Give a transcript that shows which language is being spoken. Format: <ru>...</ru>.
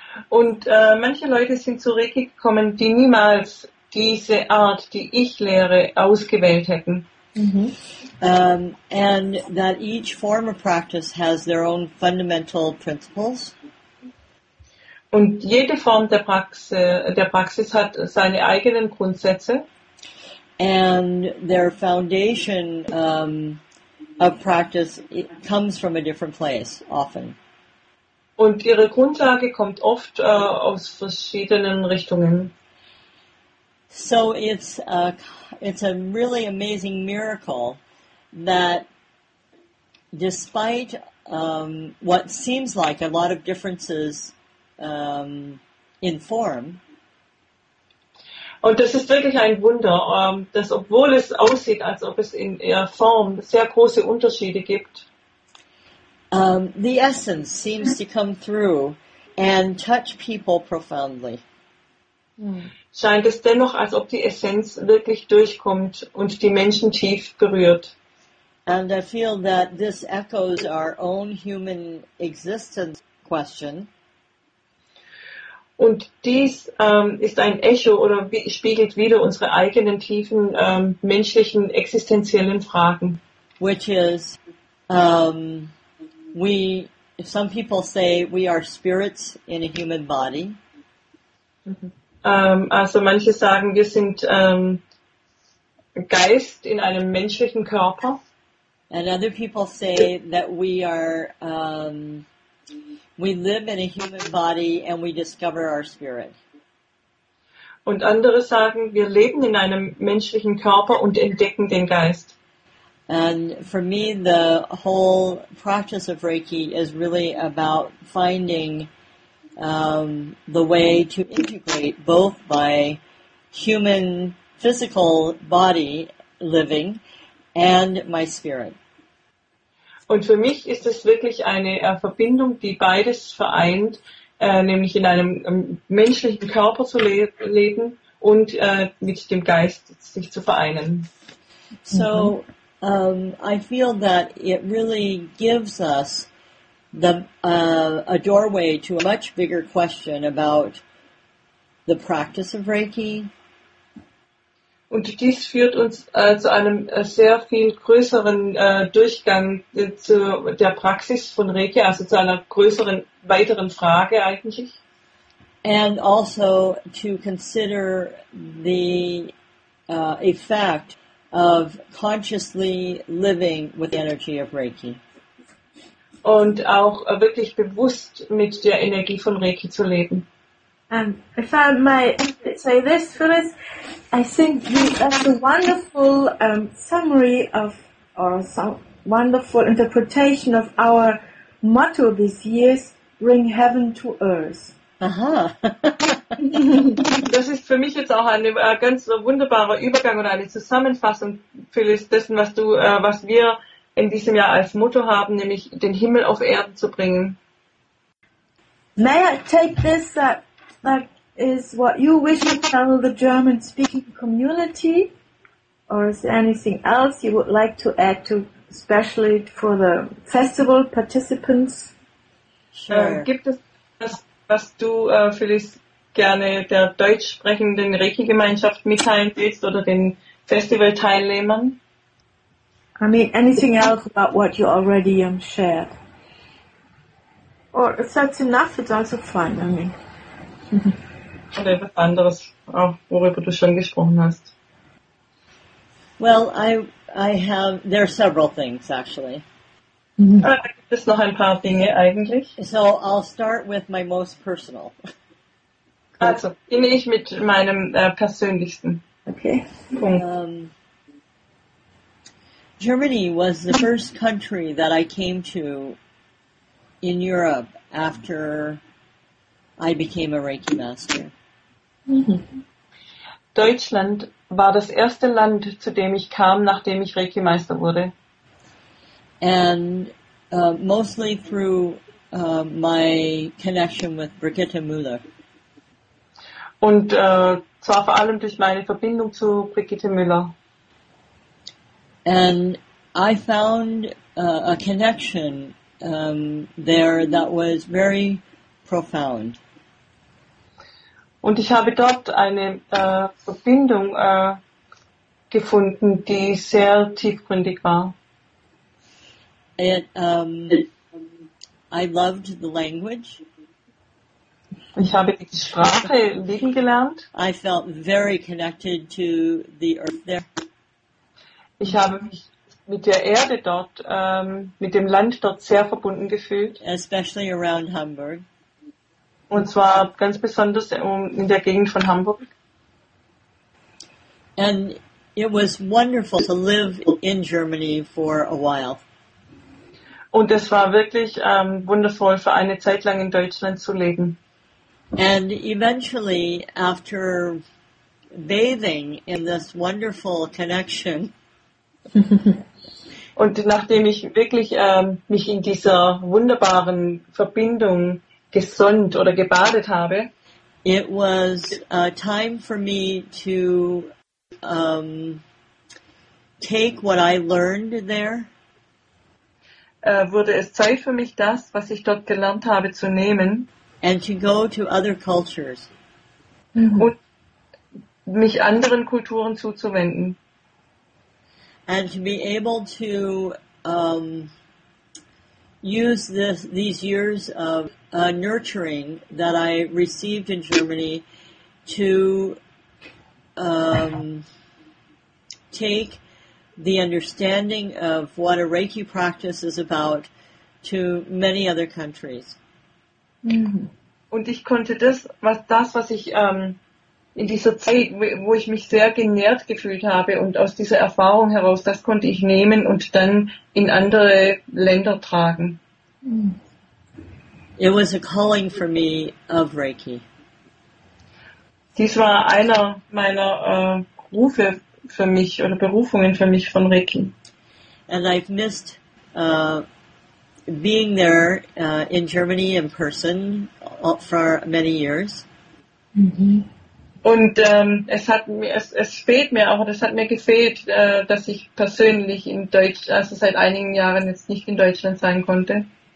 <de>Und manche Leute sind zu Reiki gekommen, die niemals diese Art, die ich lehre, ausgewählt hätten. Mm-hmm.</de> <en>And that each form of practice has their own fundamental principles.</en> <de>Und jede Form der Praxis hat seine eigenen Grundsätze.</de> <en>And their foundation of practice comes from a different place, often.</en> <de>Und ihre Grundlage kommt oft aus verschiedenen Richtungen.</de> <en>So it's a really amazing miracle that despite what seems like a lot of differences in form.</en> <de>Und das ist wirklich ein Wunder, dass obwohl es aussieht, als ob es in der Form sehr große Unterschiede gibt.</de> <en>The essence seems to come through and touch people profoundly.</en> <de>Scheint es dennoch, als ob die Essenz wirklich durchkommt und die Menschen tief berührt.</de> <en>And I feel that this echoes our own human existence question.</en> <de>Und dies ist ein Echo oder spiegelt wieder unsere eigenen tiefen menschlichen existenziellen Fragen.</de> <en>Which is, some people say we are spirits in a human body.</en> <de>Also manche sagen, wir sind Geist in einem menschlichen Körper.</de> <en>And other people say that we are we live in a human body and we discover our spirit.</en> <de>Und andere sagen, wir leben in einem menschlichen Körper und entdecken den Geist.</de> <en>And for me, the whole practice of Reiki is really about finding the way to integrate both by human physical body living and my spirit.</en> <de>Und für mich ist es wirklich eine Verbindung, die beides vereint, nämlich in einem menschlichen Körper zu leben und mit dem Geist sich zu vereinen.</de> <en>So, I feel that it really gives us the a doorway to a much bigger question about the practice of Reiki.</en> <de>Und dies führt uns zu einem sehr viel größeren Durchgang zu der Praxis von Reiki, also zu einer größeren, weiteren Frage eigentlich.</de> <en>And also to consider the effect of consciously living with the energy of Reiki.</en> <de>Und auch wirklich bewusst mit der Energie von Reiki zu leben.</de> <en>If I might say this, Phyllis, I think that's a wonderful summary of, or some wonderful interpretation of our motto this year, bring heaven to earth. Aha.</en> <de>Das ist für mich jetzt auch ein ganz wunderbarer Übergang oder eine Zusammenfassung, Phyllis, dessen, was du, was wir in diesem Jahr als Motto haben, nämlich den Himmel auf Erden zu bringen.</de> <en>May I take this that is what you wish to tell the German speaking community, or is there anything else you would like to add to, especially for the festival participants? Sure.</en> <de>Gibt es das, was du, Phyllis, gerne der deutsch sprechenden Reiki-Gemeinschaft mitteilen willst oder den Festival-Teilnehmern?</de> <en>I mean, anything else about what you already shared? Or if that's enough, it's also fine, I mean.</en> <de>Oder etwas anderes, auch worüber du schon gesprochen hast.</de> <en>Well, I have, there are several things, actually.</en> <de>Gibt es noch ein paar Dinge, eigentlich?</de> <en>So, I'll start with my most personal.</en> <de>Also, beginne ich mit meinem persönlichsten.</de> <en>Okay. Germany was the first country that I came to in Europe after I became a Reiki master.</en> <de>Deutschland war das erste Land, zu dem ich kam, nachdem ich Reiki Meister wurde.</de> <en>And mostly through my connection with Brigitte Müller.</en> <de>Und zwar vor allem durch meine Verbindung zu Brigitte Müller.</de> <en>And I found a connection there that was very profound.</en> <de>Und ich habe dort eine Verbindung gefunden, die sehr tiefgründig war.</de> <en>I loved the language.</en> <de>Ich habe die Sprache lieben gelernt.</de> <en>I felt very connected to the earth there.</en> <de>Ich habe mich mit der Erde dort, mit dem Land dort sehr verbunden gefühlt.</de> <en>Especially around Hamburg.</en> <de>Und zwar ganz besonders in der Gegend von Hamburg.</de> <en>And it was wonderful to live in Germany for a while.</en> <de>Und es war wirklich wundervoll, für eine Zeit lang in Deutschland zu leben.</de> <en>And eventually, after bathing in this wonderful connection,</en> <de>und nachdem ich wirklich mich in dieser wunderbaren Verbindung gesonnt oder gebadet habe,</de> <en>it was time for me to take what I learned there.</en> <de>Wurde es Zeit für mich, das, was ich dort gelernt habe, zu nehmen,</de> <en>and to go to other cultures.</en> <de>Und mich anderen Kulturen zuzuwenden.</de> <en>And to be able to use these years of nurturing that I received in Germany to take the understanding of what a Reiki practice is about to many other countries. Mm-hmm.</en> <de>Und ich konnte das, was ich in dieser Zeit, wo ich mich sehr genährt gefühlt habe und aus dieser Erfahrung heraus, das konnte ich nehmen und dann in andere Länder tragen.</de> <en>It was a calling for me of Reiki.</en> <de>Dies war einer meiner Rufe für mich oder Berufungen für mich von Reiki.</de> <en>And I've missed being there in Germany in person for many years. Mm-hmm.</en> <de>Und es hat mir gefehlt, dass ich persönlich in Deutsch, also seit einigen Jahren jetzt nicht in Deutschland sein konnte.</de>